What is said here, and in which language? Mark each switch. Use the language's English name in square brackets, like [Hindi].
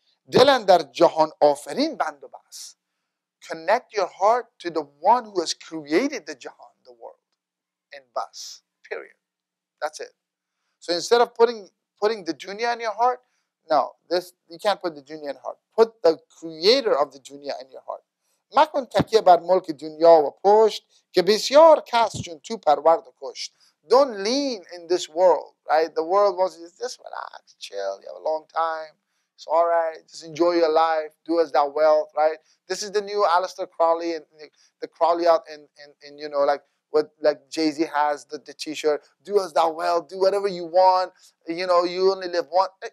[Persian] Dilan dar jahan afarin bandobas. [English] Connect your heart to the one who has created the jahan, the world, and bas, period. That's it. So instead of putting the dunya in your heart, no, this you can't put the dunya in heart. Put the creator of the dunya in your heart. [Persian] مکن تکیه بر ملک دنیا و پشت که بسیار کس چون تو پرورد و کشت. [English] Don't lean in this world, right? The world wants you to just relax, chill, you have a long time. It's all right, just enjoy your life, do as thou wilt, right? This is the new Aleister Crowley and the Crowley out in you know, like what like Jay-Z has, the t-shirt. Do as thou wilt, do whatever you want. You know, you only live once.